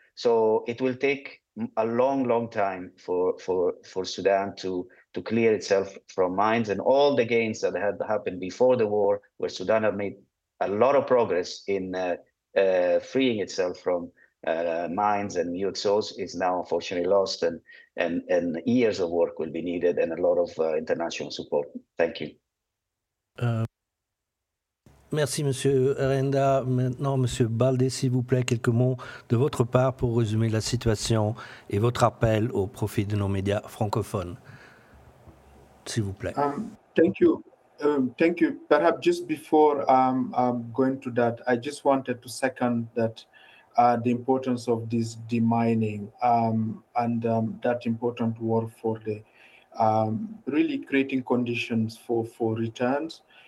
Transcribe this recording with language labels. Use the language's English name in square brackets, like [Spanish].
[English] So it will take a long, long time for Sudan to clear itself from mines and all the gains that had happened before the war, where Sudan had made a lot of progress in freeing itself from mines and UXOs, is now unfortunately lost, and years of work will be needed and a lot of international support. Thank you. [French] Merci, Monsieur Renda. Maintenant, Monsieur Baldé, s'il vous plaît, quelques mots de votre part pour résumer la situation et votre appel au profit de nos médias francophones, s'il vous plaît. [English] Thank you. Perhaps just before I'm going to that, I just wanted to second that the importance of this demining and that important work for the really creating conditions for returns.